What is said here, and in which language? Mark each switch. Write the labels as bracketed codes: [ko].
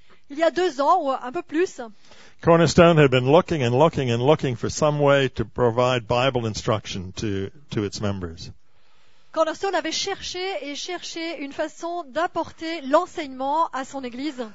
[fr] Il y a deux ans, ou un peu plus, [en] Cornerstone had been looking and looking and looking for some way to provide Bible instruction to its members. [fr] Cornerstone avait cherché et cherché une façon d'apporter l'enseignement à son église.